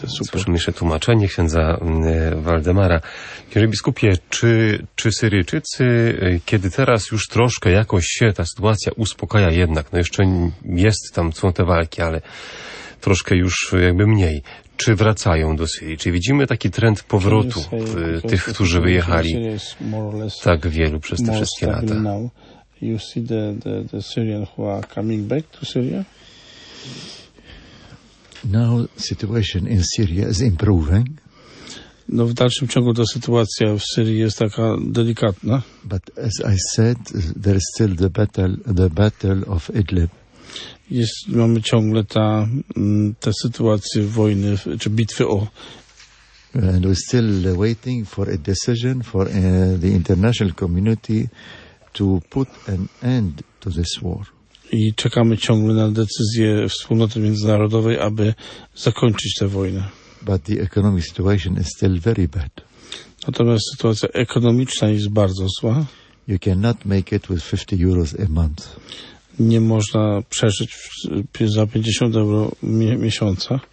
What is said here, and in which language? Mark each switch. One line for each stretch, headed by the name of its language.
Polish: Słyszymy jeszcze tłumaczenie księdza Waldemara. Księże biskupie, czy Syryjczycy, kiedy teraz już troszkę jakoś się ta sytuacja uspokaja jednak, no jeszcze jest tam, są te walki, ale troszkę już jakby mniej, czy wracają do Syrii? Czy widzimy taki trend powrotu tych, którzy wyjechali tak wielu przez te wszystkie lata?
English: You see the Syrians who are coming back to Syria? Now situation in Syria is improving.
Polish: No, w dalszym ciągu ta sytuacja w Syrii jest taka delikatna.
English: But as I said, there is still the battle of Idlib.
Polish: Mamy ciągle te sytuacje wojny, czy bitwy o.
English: And we're still waiting for a decision for the international community to put an end to this war.
Polish: I czekamy ciągle na decyzję wspólnoty międzynarodowej, aby zakończyć tę wojnę.
English: But the economic situation is still very bad.
Polish: Natomiast sytuacja ekonomiczna jest bardzo zła.
English: You cannot make it with 50 euros a month.
Polish: Nie można przeżyć za 50 euro miesiąca.